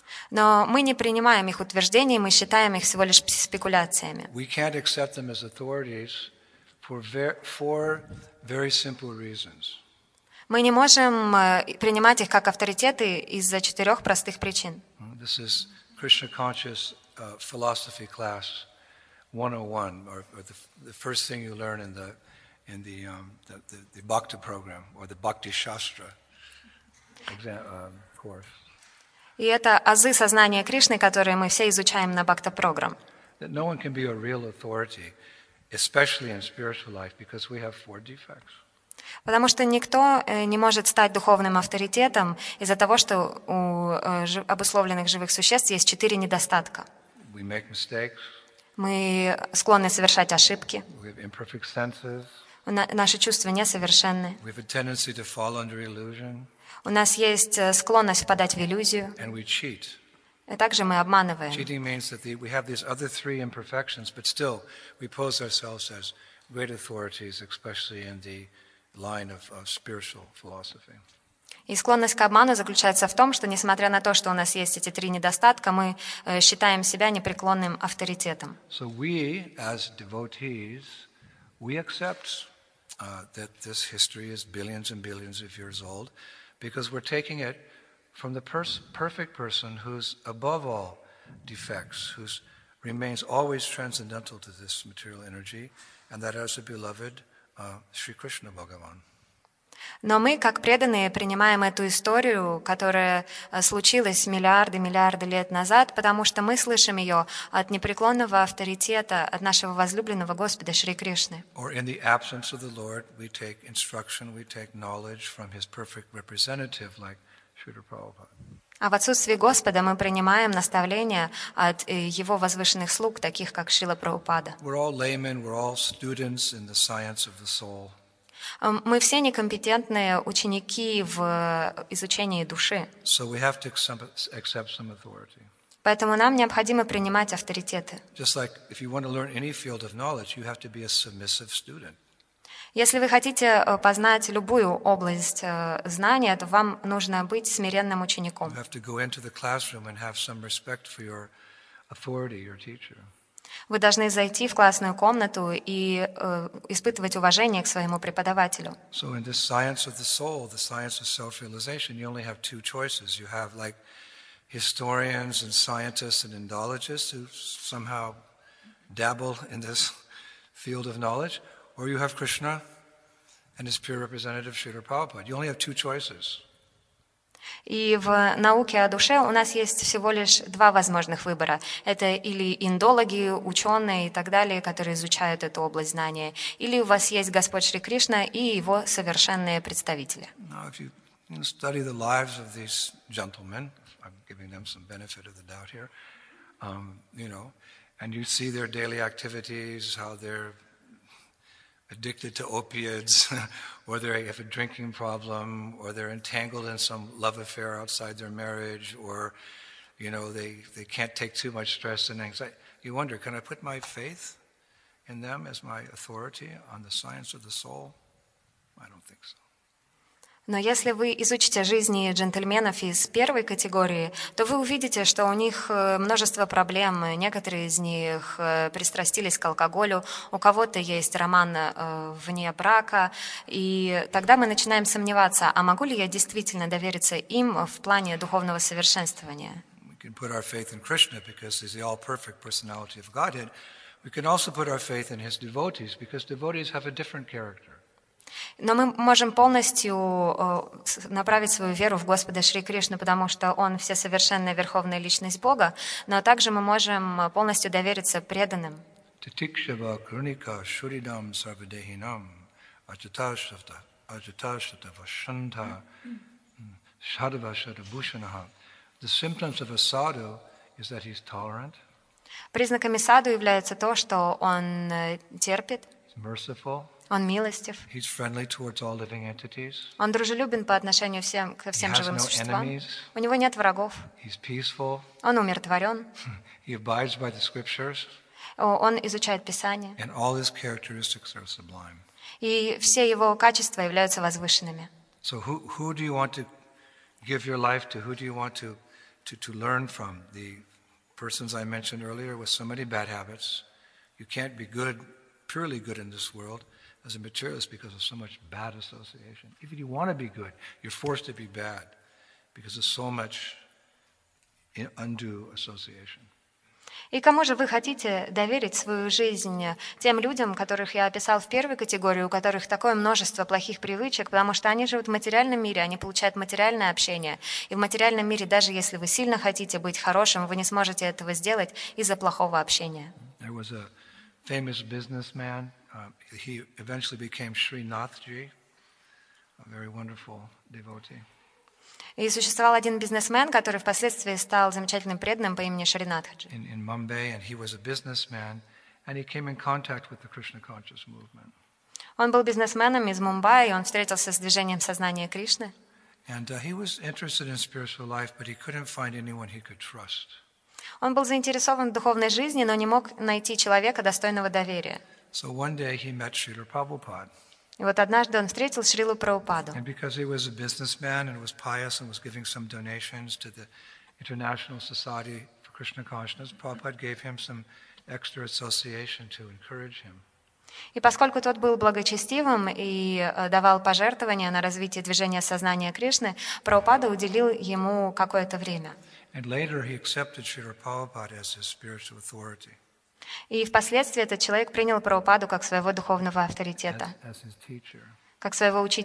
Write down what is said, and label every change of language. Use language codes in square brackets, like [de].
[ru] Но мы не принимаем их утверждений, мы считаем их всего лишь спекуляциями. [en] We can't accept them as authorities for four very simple reasons. [ru] Мы не можем принимать их как авторитеты из-за четырех простых причин. [en] This is Krishna Conscious Philosophy Class 101, or the first thing you learn in the in the Bhakti program or the Bhakti Shastra course. [ru] И это азы сознания Кришны, которые мы все изучаем на Бхакта программ. [en] That no one can be a real authority, especially in spiritual life, because we have four defects. [ru] Потому что никто не может стать духовным авторитетом из-за того, что у обусловленных живых существ есть четыре недостатка. [en] We make mistakes. [ru] Мы склонны совершать ошибки. [en] We have imperfect senses. [ru] Наши чувства несовершенны. [en] We have a tendency to fall under illusion. [ru] У нас есть склонность впадать в иллюзию. [en] And we cheat. [ru] И также мы обманываем. [en] Cheating means that we have these other three imperfections, but still we pose ourselves as great authorities, especially in the line of spiritual philosophy. [ru] И склонность к обману заключается в том, что несмотря на то, что у нас есть эти три недостатка, мы считаем себя непреклонным авторитетом. [en] So we, as devotees, we accept that this history is billions and billions of years old, because we're taking it from the perfect person who's above all defects, who remains always transcendental to this material energy, and that is the beloved Sri Krishna Bhagavan. [ru] Но мы, как преданные, принимаем эту историю, которая случилась миллиарды лет назад, потому что мы слышим ее от непреклонного авторитета, от нашего возлюбленного Господа Шри Кришны. [en] Or in the absence of the Lord, we take instruction, we take knowledge from his perfect representative, like Śrīla Prabhupāda. [ru] А в отсутствии Господа мы принимаем наставления от его возвышенных слуг, таких как Шрила Прабхупада. [en] We're all laymen, we're all students in the science of the soul. [ru] Мы все некомпетентные ученики в изучении души. [en] So we have to accept some authority. [ru] Поэтому нам необходимо принимать авторитеты. [en] Just like if you want to learn any field of knowledge, you have to be a submissive student. [ru] Если вы хотите познать любую область знания, то вам нужно быть смиренным учеником. [en] You have to go into the classroom and have some respect for your authority, your teacher. [ru] Вы должны зайти в классную комнату и испытывать уважение к своему преподавателю. [en] So in the science of the soul, the science of self-realization, you only have two choices. You have like historians and scientists and Indologists who somehow dabble in this field of knowledge, or you have Krishna and his pure representative, Śrīla Prabhupāda. You only have two choices. [ru] И в науке о душе у нас есть всего лишь два возможных выбора. Это или индологи, ученые и так далее, которые изучают эту область знания, или у вас есть Господь Шри Кришна и его совершенные представители. [en] Now, if you study the lives of these gentlemen, I'm giving them some benefit of the doubt here, and you see their daily activities, how they're addicted to opiates, or they have a drinking problem, or they're entangled in some love affair outside their marriage, or, they can't take too much stress and anxiety. You wonder, can I put my faith in them as my authority on the science of the soul? I don't think so. [ru] Но если вы изучите жизни джентльменов из первой категории, то вы увидите, что у них множество проблем. Некоторые из них пристрастились к алкоголю, у кого-то есть роман вне брака. И тогда мы начинаем сомневаться, а могу ли я действительно довериться им в плане духовного совершенствования? [en] We can put our faith in Krishna because he's the all-perfect personality of Godhead. We can also put our faith in his devotees because devotees have a different character. [ru] Но мы можем полностью направить свою веру в Господа Шри Кришну, потому что Он – всесовершенная верховная личность Бога, но также мы можем полностью довериться преданным. [sa] Титикшава Круника Шуридам Сарвадехинам Аджиташтата Вашанта Шадва Шадабушанаха. [en] The symptoms of a sadhu is that he's tolerant. [ru] Признаками саду является то, что он терпит. [en] He's merciful. [ru] Он милостив. [en] He's friendly towards all living entities. [ru] Он дружелюбен по отношению всем, ко всем живым существам. [en] He has no enemies. [ru] У него нет врагов. [en] He's peaceful. [ru] Он умиротворен. [en] He abides by the scriptures. [ru] Он изучает Писание. [en] And all his characteristics are sublime. [ru] И все его качества являются возвышенными. [en] So who do you want to give your life to? Who do you want to learn from? The persons I mentioned earlier with so many bad habits. You can't be good, purely good in this world. As a materialist, because of so much bad association. Even you want to be good, you're forced to be bad because of so much undue association. [ru] И кому же вы хотите доверить свою жизнь? Тем людям, которых я описал в первой категории, у которых такое множество плохих привычек, потому что они живут в материальном мире, они получают материальное общение. И в материальном мире, даже если вы сильно хотите быть хорошим, вы не сможете этого сделать из-за плохого общения. [en] There was a famous businessman. He eventually became Sri Nathji, a very wonderful devotee. [ru] И существовал один бизнесмен, который впоследствии стал замечательным преданным по имени Шринатхаджи. [en] In Mumbai, and he was a businessman, and he came in contact with the Krishna Conscious Movement. [ru] Он был бизнесменом из Мумбаи, и он встретился с движением сознания Кришны. [en] And he was interested in spiritual life, but he couldn't find anyone he could trust. [ru] Он был заинтересован в духовной жизни, но не мог найти человека достойного доверия. [en] So one day he met Srila Prabhupada. [ru] И вот однажды он встретил Шрилу Прабхупаду. [en] And because he was a businessman and was pious and was giving some donations to the International Society for Krishna Consciousness, Prabhupada gave him some extra association to encourage him. [ru] И поскольку тот был благочестивым и давал пожертвования на развитие движения сознания Кришны, Прабхупада уделил ему какое-то время. [en] And later he accepted Srila Prabhupada as his spiritual authority. [ru] И впоследствии этот человек принял Прабхупаду как своего духовного авторитета, как своего